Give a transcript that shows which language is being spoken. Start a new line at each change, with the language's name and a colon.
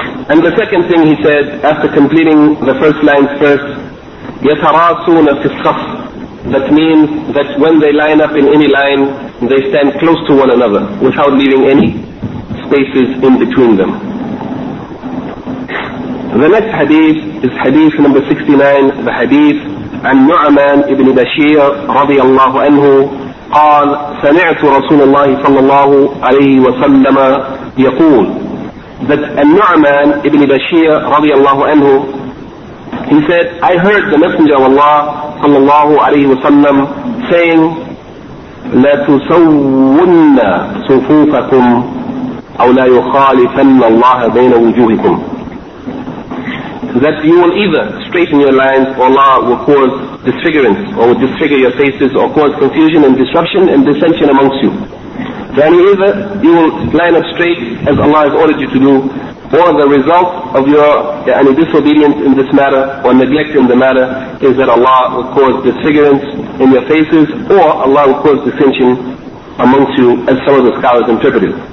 English: And the second thing he said, after completing the first lines first,
Arabic: يَتَرَاسُونَ فِي الصَّفِّ,
English: that means that when they line up in any line, they stand close to one another without leaving any spaces in between them. The next hadith is hadith number 69, the hadith
Arabic: عن نعمان ابن بشير رضي الله عنه قال سمعت رسول الله صلى الله عليه وسلم يقول. That النعمان ابن بشير رضي الله عنه,
English: he said, I heard the Messenger of Allah
Arabic: صلى الله عليه وسلم
English: saying,
Arabic: لا تسوّن صفوفكم أو لا يخالفن الله بين وجوهكم.
English: That you will either straighten your lines, or Allah will cause disfigurance, or will disfigure your faces, or cause confusion and disruption and dissension amongst you. Then either you will line up straight as Allah has ordered you to do, or the result of your disobedience in this matter, or neglect in the matter, is that Allah will cause disfigurance in your faces, or Allah will cause dissension amongst you, as some of the scholars interpreted.